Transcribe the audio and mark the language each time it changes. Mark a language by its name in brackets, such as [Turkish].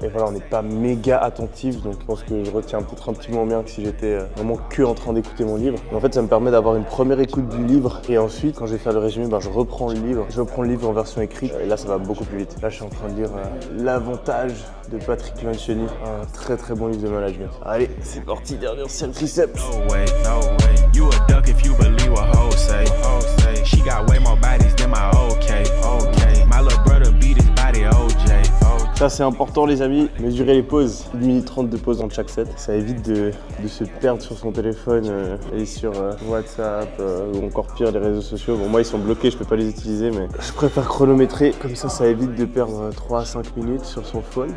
[French] Et voilà, on n'est pas méga attentif, donc je pense que je retiens peut-être un petit moment bien que si j'étais vraiment que en train d'écouter mon livre. Mais en fait, ça me permet d'avoir une première écoute du livre et ensuite quand je vais faire le résumé je reprends le livre. Je reprends le livre en version écrite et là ça va beaucoup plus vite. Là je suis en train de lire L'Avantage de Patrick Lencioni, un très très bon livre de management. Allez, c'est parti, dernier ancien triceps. [English] No way, no way. You a duck if you believe what hoes say. She got way more bodies than my okay. Okay. My little brother beat his body OJ. [French] Ça c'est important les amis, mesurer les pauses, 1 minute 30 de pause dans chaque set. Ça évite de se perdre sur son téléphone, aller sur WhatsApp ou encore pire les réseaux sociaux. Bon moi ils sont bloqués, je peux pas les utiliser mais je préfère chronométrer. Comme ça, ça évite de perdre 3 à 5 minutes sur son phone.